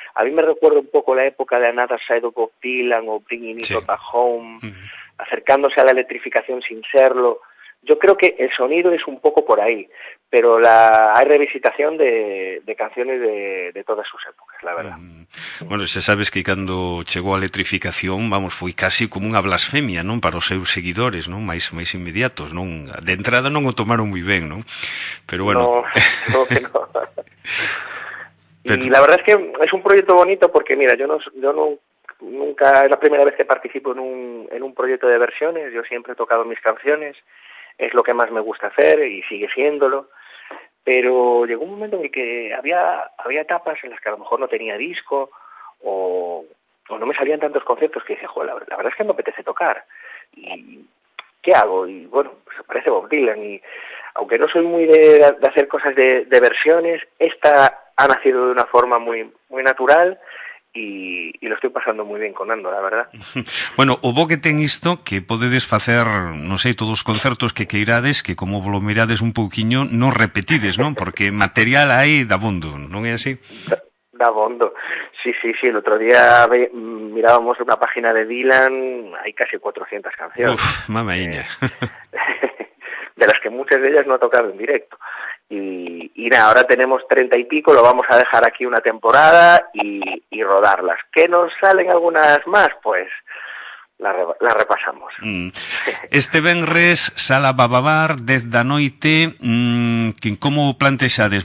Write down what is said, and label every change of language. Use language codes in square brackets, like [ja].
[es] A mí me recuerda un poco la época de Another Side of Bob Dylan o Bringing It Up a Home, acercándose a la electrificación sin serlo. Yo creo que el sonido es un poco por ahí, pero hay revisitación de canciones de todas sus épocas, la verdad. [gl] Bueno, xa sabes que cando chegou a electrificación, vamos, foi casi como unha blasfemia, non, para os seus seguidores, non, máis inmediatos, non. De entrada non o tomaron moi ben, non. Pero bueno. [es] No. E la verdad es que é un proyecto bonito porque mira, yo nunca [gl] é a primeira vez [es] que participo en un proyecto de versiones, yo siempre he tocado mis canciones. Es lo que más me gusta hacer y sigue siéndolo. Pero llegó un momento en el que había etapas en las que a lo mejor no tenía disco o no me salían tantos conciertos que dije, joder, la verdad es que no me apetece tocar. ¿Y qué hago? Y bueno, pues aparece Bob Dylan. Y aunque no soy muy de hacer cosas de versiones, esta ha nacido de una forma muy, muy natural. Y lo estoy pasando muy bien con Ando, la verdad. [gl] Bueno, o bo que ten isto, que podedes facer, non sei, todos os concertos que queirades, que como lo mirades un pouquiño, non repetides, non? Porque material hai dabondo, non é así? Dabondo, sí, [es] el otro día mirábamos [gl] unha página de Dylan, hai casi 400 cancións. Uf, mama iña. [es] De las que muchas de ellas no ha tocado en directo. Y nada, ahora tenemos 30 y pico, lo vamos a dejar aquí una temporada y rodarlas. ¿Qué nos salen algunas más? Pues la repasamos. [gl] Este venres, Sala Bababar, 10 da noite, ¿cómo plantexades?